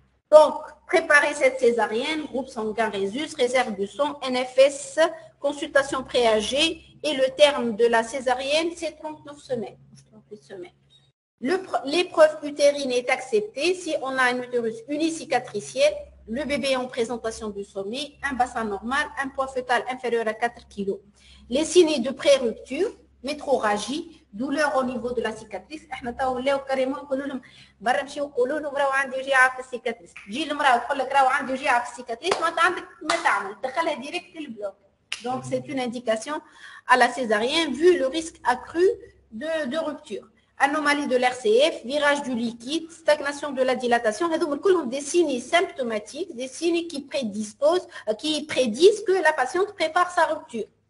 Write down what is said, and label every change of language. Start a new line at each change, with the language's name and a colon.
French: Donc, préparer cette césarienne, groupe sanguin rhésus, réserve du sang, NFS, consultation pré-âgée et le terme de la césarienne, c'est 39 semaines. 38 semaines. L'épreuve utérine est acceptée si on a un utérus unicicatriciel, le bébé en présentation du sommet, un bassin normal, un poids fœtal inférieur à 4 kg. Les signes de pré-rupture, métrorragie, douleur au niveau de la cicatrice.
Arabic: احنا تو ولاو كريمون يقولوا لهم برا نمشيو نقولوا له راهو عندي وجيعه في السيكاتريس. تجي المراه تقول لك راهو عندي وجيعه في السيكاتريس ما عندك ما تعمل تدخلها ديريكت البلوك.
French: Donc c'est une indication à la césarienne vu le risque accru de rupture. Anomalie de l'RCF, virage du liquide, stagnation de la dilatation.
Arabic: هذوما كلهم
French: des signes symptomatiques, des signes qui prédisposent, qui prédisent que la patiente prépare sa rupture.